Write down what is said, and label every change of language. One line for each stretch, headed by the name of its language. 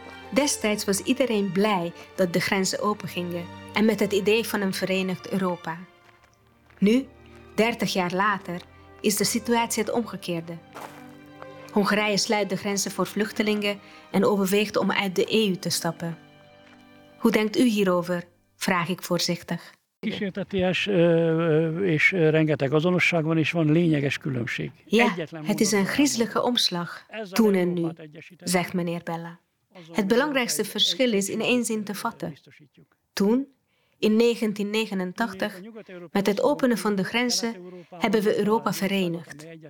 Dutch: Destijds was iedereen blij dat de grenzen opengingen en met het idee van een verenigd Europa. Nu, 30 jaar later, is de situatie het omgekeerde. Hongarije sluit de grenzen voor vluchtelingen en overweegt om uit de EU te stappen. Hoe denkt u hierover? Vraag ik voorzichtig.
Hungarian: Kísérteties és rengeteg azonosság van, és van lényeges különbség.
Dutch: Ja, het is een griezelige omslag, toen en nu, zegt meneer Bella. Het belangrijkste verschil is in één zin te vatten. Toen, in 1989, met het openen van de grenzen, hebben we Europa verenigd.